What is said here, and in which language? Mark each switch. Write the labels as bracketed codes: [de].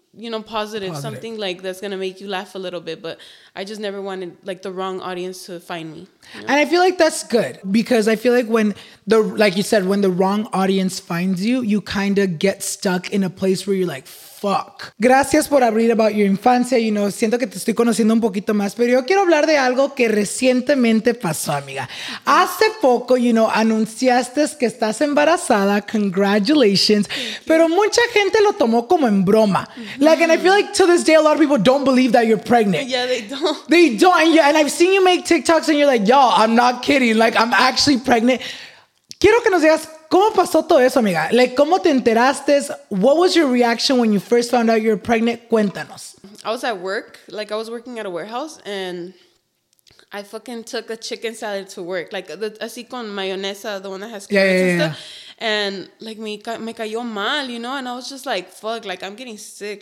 [en] you know, positive, something like that's going to make you laugh a little bit. But I just never wanted like the wrong audience to find me. You know? And I feel like that's good because I feel like when the, like you said, when the wrong audience finds you, you kind of get stuck in a place where you're like, fuck. [es] Gracias por abrir [en] about your [es] infancia. You know, siento que te estoy conociendo un poquito más, pero yo quiero hablar de algo que recientemente pasó, amiga. Hace poco, you know, anunciaste que estás embarazada. Congratulations. Pero mucha gente lo tomó como en broma. [en] Like, and I feel like to this day, a lot of people don't believe that you're pregnant. Yeah, they don't. They don't. And I've seen you make TikToks and you're like, y'all, I'm not kidding. Like, I'm actually pregnant. [es] Quiero que nos digas, ¿cómo pasó todo eso, amiga? Like, ¿cómo te enteraste? [en] What was your reaction when you first found out you were pregnant? [es] Cuéntanos. [en] I was at work. Like, I was working at a warehouse, and I fucking took a chicken salad to work. Like, [es] así con mayonesa, [en] the one that has carrots stuff. And, like, [es] me cayó mal, [en] you know? And I was just like, fuck, like, I'm getting sick.